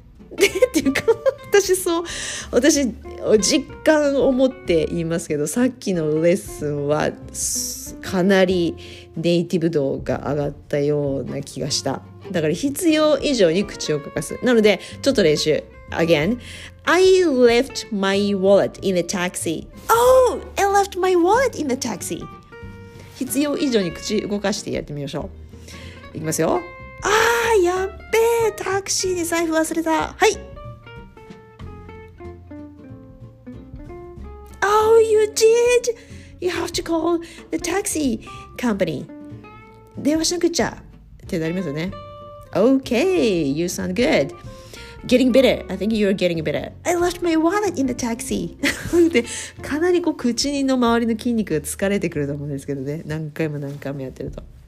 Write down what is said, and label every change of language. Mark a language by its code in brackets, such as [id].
[ja] でっていうか、私実感を持って言いますけど、さっきのレッスンはかなりネイティブ度が上がったような気がした。だから必要以上に口を動かす。なのでちょっと練習 again。 [en] I left my wallet in the taxi. Oh, I left my wallet in the taxi. [ja] 必要以上に口を動かしてやってみましょう。いきますよ。あーやっべー、タクシーに財布忘れた。 [en] はい、Did you have to call the taxi company? [ja] 電話しなくちゃってなりますよね。 [en] Okay, you sound good. Getting bitter. I think you're getting bitter. I left my wallet in the taxi. [ja] でかなりこう口の周りの筋肉が疲れてくると思うんですけどね、何回も何回もやってると。